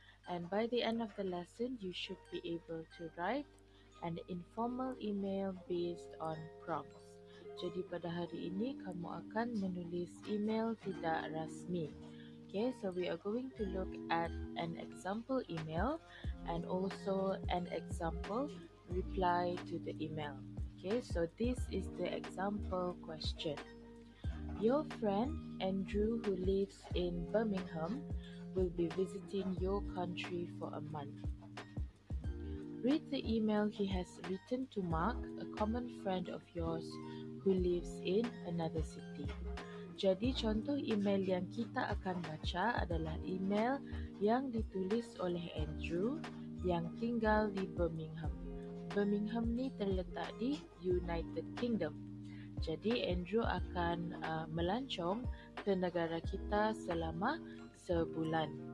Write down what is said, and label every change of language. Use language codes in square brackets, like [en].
[en] And by the end of the lesson, you should be able to write an informal email based on prompts. [ms] Jadi pada hari ini, kamu akan menulis email tidak rasmi. [en] Okay, so we are going to look at an example email and also an example reply to the email. Okay, so this is the example question. Your friend, Andrew, who lives in Birmingham, will be visiting your country for a month. Read the email he has written to Mark, a common friend of yours who lives in another city. [ms] Jadi, contoh email yang kita akan baca adalah email yang ditulis oleh Andrew yang tinggal di Birmingham. Birmingham ni terletak di United Kingdom. Jadi Andrew akan melancong ke negara kita selama sebulan.